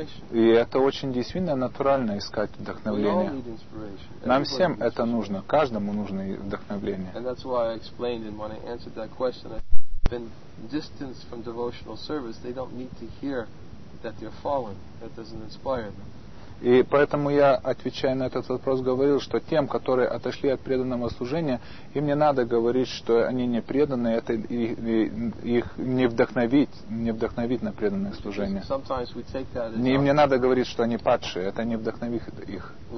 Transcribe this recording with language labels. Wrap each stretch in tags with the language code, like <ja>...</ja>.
<ru>И это очень действительно натурально искать вдохновление. Нам всем это нужно, каждому нужно вдохновление.</ru> <en>And that's why I explained and when I answered that question, I've been distanced from devotional service. They don't need to hear that they're fallen. That doesn't inspire them.</en> <ru>И поэтому я, отвечая на этот вопрос, говорил, что тем, которые отошли от преданного служения, им не надо говорить, что они не преданы, это их не вдохновит на преданное служение. Им не надо говорить, что они падшие, это не вдохновит их.</ru>